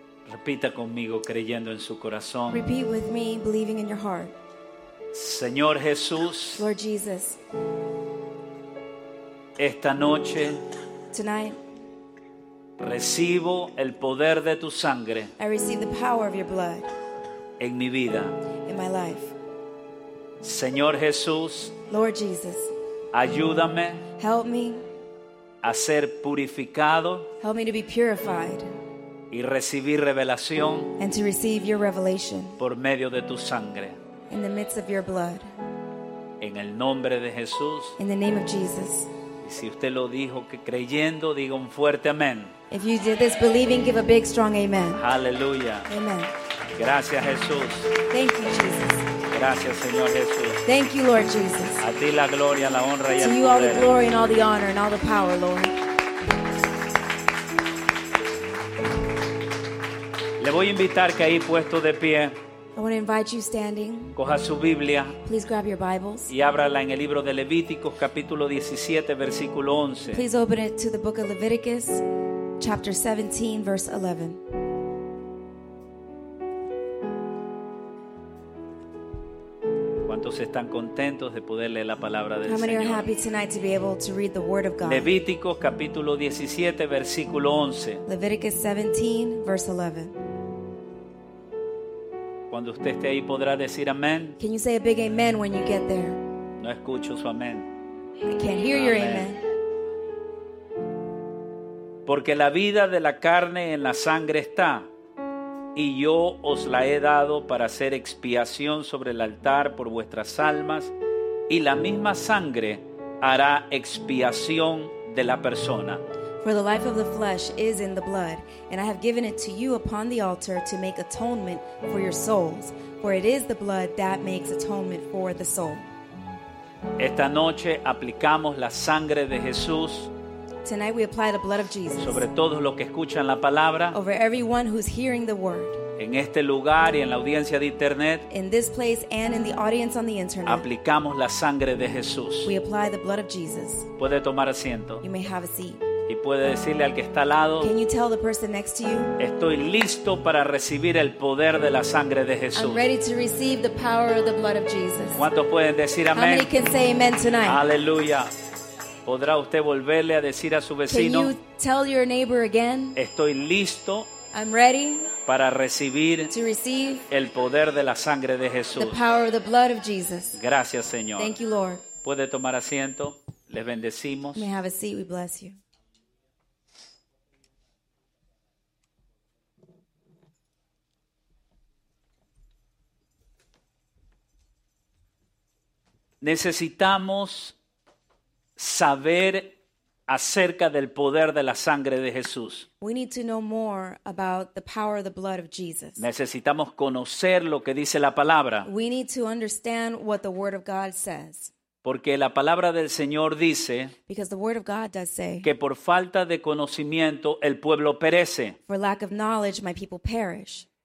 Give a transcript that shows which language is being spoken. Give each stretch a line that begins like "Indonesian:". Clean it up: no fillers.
Spanish: Repita conmigo creyendo en su corazón.
English: Repeat with me, believing in your heart.
Spanish: Señor Jesús,
English: Lord Jesus,
Spanish: esta noche,
English: tonight,
Spanish: recibo el poder de tu sangre.
English: I receive the power of your blood.
Spanish: En mi vida.
English: In my life.
Spanish: Señor Jesús,
English: Lord Jesus,
Spanish: ayúdame.
English: Help me.
Spanish: A ser purificado.
English: Help me to be purified.
Spanish: Y recibir revelación.
English: And to receive your revelation.
Spanish: Por medio de tu sangre.
English: In the midst of your blood.
Spanish: En el nombre de Jesús.
English: In the name of Jesus.
Spanish: Y si usted lo dijo que creyendo, diga un fuerte amén.
English: If you did this believing, give a big strong amen. Hallelujah. Amen.
Spanish: Gracias, Jesús.
English: Thank you, Jesus.
Spanish: Gracias, Señor Jesús.
English: Thank you, Lord Jesus.
Spanish: A ti la gloria, la honra y el poder.
English: To you all the glory and all the honor and all the power, Lord.
Spanish: Le voy a invitar que ahí puesto de pie.
English: I want to invite you standing.
Spanish: Coja su Biblia.
English: Please grab your Bibles.
Spanish: Y ábrala en el libro de Levíticos, capítulo 17, versículo 11.
English: Please open it to the book of Leviticus, chapter 17, verse 11.
Spanish: ¿Cuántos están contentos de poder leer la palabra del Señor?
English: How many are happy tonight to be able to read the word of God?
Spanish: Levíticos capítulo 17 versículo 11.
English: Leviticus 17 verse 11.
Spanish: Cuando usted esté ahí podrá decir amén.
English: Can you say a big amen when you get there?
Spanish: No escucho su amén.
English: I can't hear your amen.
Spanish: Porque la vida de la carne en la sangre está. Y yo os la he dado para hacer expiación sobre el altar por vuestras almas. Y la misma sangre hará expiación de la persona.
English: For the life of the flesh is in the blood. And I have given it to you upon the altar to make atonement for your souls. For it is the blood that makes atonement for the soul.
Spanish: Esta noche aplicamos la sangre de Jesús.
English: Tonight we apply the blood of Jesus.
Spanish: Sobre todos los que escuchan la palabra.
English: Over everyone who's hearing the word.
Spanish: En este lugar y en la audiencia de internet.
English: In this place and in the audience on the internet.
Spanish: Aplicamos la sangre de Jesús.
English: We apply the blood of Jesus.
Spanish: Puede tomar asiento.
English: You may have a seat.
Spanish: Y puede decirle al que está al lado.
English: Can you tell the person next to you?
Spanish: Estoy listo para recibir el poder de la sangre de Jesús.
English: I'm ready to receive the power of the blood of Jesus.
Spanish: ¿Cuántos pueden decir amén?
English: How many can say amen tonight?
Spanish: Aleluya. ¿Podrá usted volverle a decir a su vecino?
English: Can you tell your neighbor again?
Spanish: Estoy listo.
English: I'm ready.
Spanish: Para recibir.
English: To receive.
Spanish: El poder de la sangre de Jesús.
English: The power of the blood of Jesus.
Spanish: Gracias, Señor.
English: Thank you, Lord.
Spanish: Puede tomar asiento. Les bendecimos.
English: May have a seat. We bless you.
Spanish: Necesitamos saber acerca del poder de la sangre de Jesús.
English: We need to know more about the power of the blood of Jesus.
Spanish: Necesitamos conocer lo que dice la palabra.
English: We need to understand what the word of God says.
Spanish: Porque la palabra del Señor dice.
English: Because the word of God does say.
Spanish: Que por falta de conocimiento el pueblo perece.
English: For lack of knowledge my people perish.